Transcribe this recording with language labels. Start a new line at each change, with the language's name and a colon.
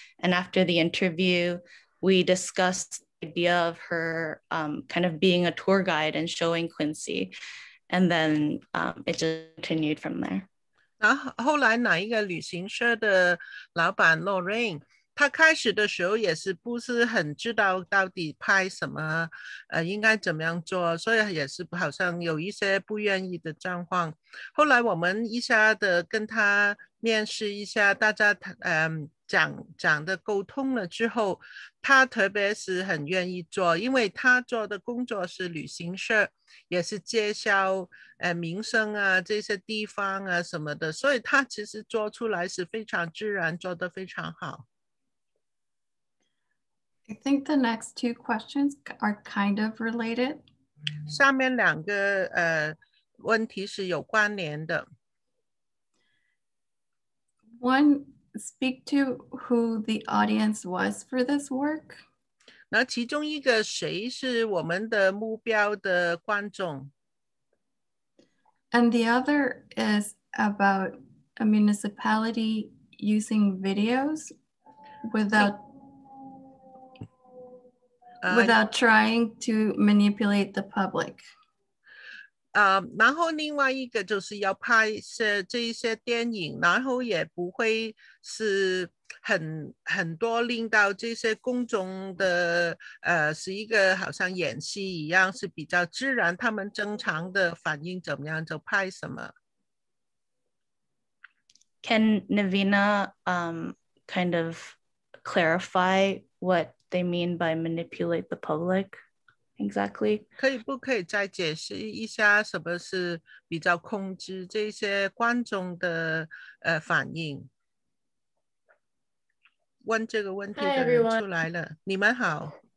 English: And after the interview, we discussed the idea of her kind of being a tour guide and showing Quincy. And then it just continued from there.
Chinese: 然后后来哪一个旅行社的老板 Lorraine, 她开始的时候也是不是很知道到底拍什么应该怎么样做，所以也是好像有一些不愿意的状况。后来我们一下的跟她面试一下，大家讲的沟通了之后，她特别是很愿意做，因为她做的工作是旅行社，也是介绍名声啊这些地方啊什么的，所以她其实做出来是非常自然，做得非常好。
English: I think the next two questions are kind of related.
Chinese: 下面两个问题是有关联的。
English: One, speak to who the audience was for this work.
Chinese: 那其中一个谁是我们的目标的观众。
English: And the other is about a municipality using videos without trying to manipulate the public.
Chinese: 然后另外一个就是要拍摄这一些电影，然后也不会是很多令到这些公众的是一个好像演戏一样，是比较自然，他们正常的反应怎么样就拍什么。
English: Can Navina kind of clarify what they mean by manipulate the public exactly?
Chinese: 可以不可以再解释一下什么是比较控制这些观众的反应？问这个问题的人出来了，你们好。